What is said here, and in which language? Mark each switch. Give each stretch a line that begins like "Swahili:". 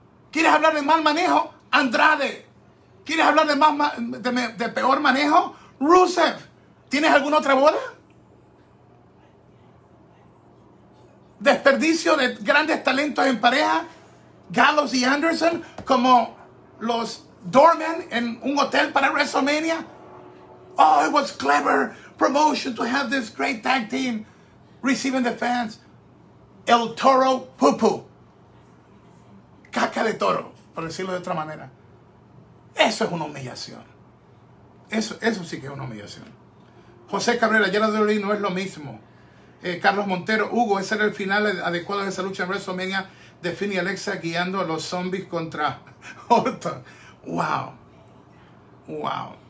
Spanish: ¿Quieres hablar de mal manejo? Andrade. ¿Quieres hablar de más de peor manejo? Rusev. ¿Tienes alguna otra boda? Desperdicio de grandes talentos en pareja, Gallows y Anderson, como los doormen en un hotel para WrestleMania.
English: Oh, it was clever promotion to have this great tag team receiving the fans.
Spanish: El Toro Pupu. Caca de toro, por decirlo de otra manera. Eso es una humillación. Eso sí que es una humillación. José Cabrera, ya la de Olin no es lo mismo. Carlos Montero, Hugo, ese era el final adecuado de esa lucha en WrestleMania de Finn y Alexa guiando a los zombies contra Orton. Wow. Wow.